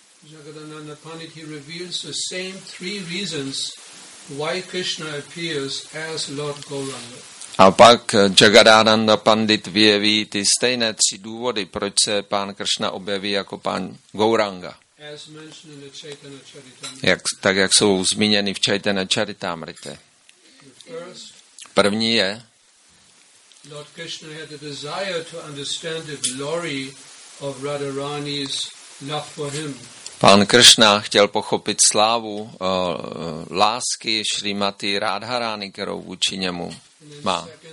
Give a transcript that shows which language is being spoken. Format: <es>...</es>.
<en>Jagadananda Pandit, he reveals the same three reasons why Krishna appears as Lord Gauranga.</en> <cs>A pak Jagadananda Pandit vyjeví ty stejné tři důvody, proč se pán Krishna objeví jako pán Gauranga.</cs> <en>As mentioned in the Chaitanya Charitamrita.</en> <cs>Jak jsou zmíněny v Chaitanya Charitamrite. První je</cs> <en>Lord Krishna had the desire to understand the glory of Radharani's love for him.</en> <cs>Pán Kršna chtěl pochopit slávu lásky Šrimati Radharány, kterou vůči němu má.</cs>